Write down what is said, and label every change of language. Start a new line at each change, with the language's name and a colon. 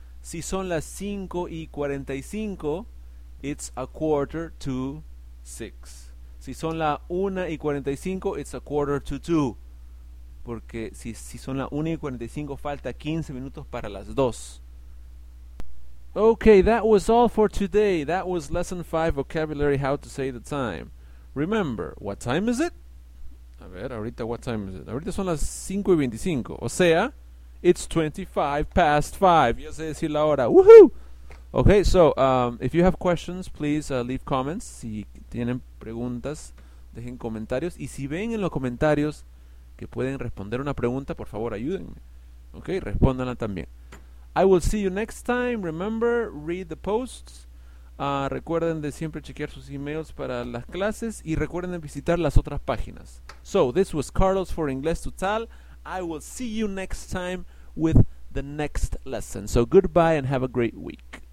Spanish: Si son las 5:45,
English: it's 5:45.
Spanish: Si son las 1:45,
English: it's 1:45.
Spanish: Porque si son las 1:45, falta 15 minutos para las 2.
English: Okay, that was all for today. That was lesson 5, vocabulary, how to say the time. Remember, what time is it?
Spanish: A ver, ahorita,
English: what time is it? Ahorita son las 5:25. O sea, it's 25 past 5. Ya sé decir la hora. Woohoo! Okay, so if you have questions, please leave comments.
Spanish: Si tienen preguntas, dejen comentarios. Y si ven en los comentarios que pueden responder una pregunta, por favor, ayúdenme.
English: Okay,
Spanish: respóndanla también.
English: I will see you next time. Remember, read the posts.
Spanish: Recuerden de siempre chequear sus emails para las clases y recuerden de visitar las otras páginas.
English: So, this was Carlos for Inglés Total. I will see you next time with the next lesson. So, goodbye and have a great week.